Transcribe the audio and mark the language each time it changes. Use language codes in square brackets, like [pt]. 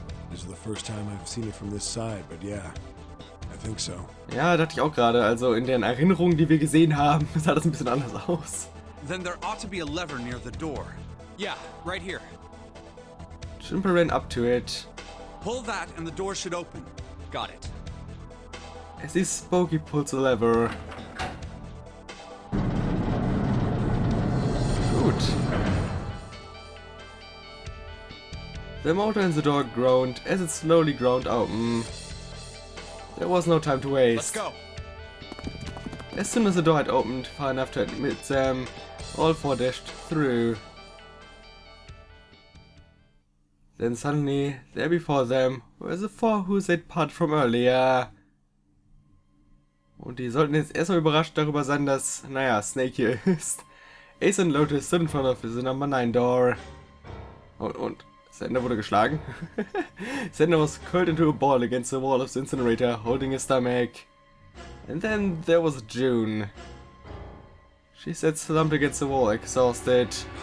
[en] This is the first time I've seen it from this side, but yeah, I think so. [de] Ja, dachte ich auch gerade. Also in den Erinnerungen, die wir gesehen haben, sah das ein bisschen anders aus. [en] Then there ought to be a lever near the door. Yeah, right here. Jumper ran up to it. Pull that and the door should open. Got it. As he spoke, he pulled the lever. The motor in the door groaned as it slowly ground open. There was no time to Let's go. As soon as the door had opened far enough to admit them, all four dashed through. Then suddenly, there before them were the four who they'd parted from earlier. [de] Und die sollten jetzt erstmal überrascht darüber sein, dass, naja, Snake hier ist. [en] Ace and Lotus stood in front of the number 9 door. [de] Sander wurde geschlagen. [en] Sander was curled into a ball against the wall of the incinerator, holding his stomach. And then there was June. She sat slumped against the wall, exhausted.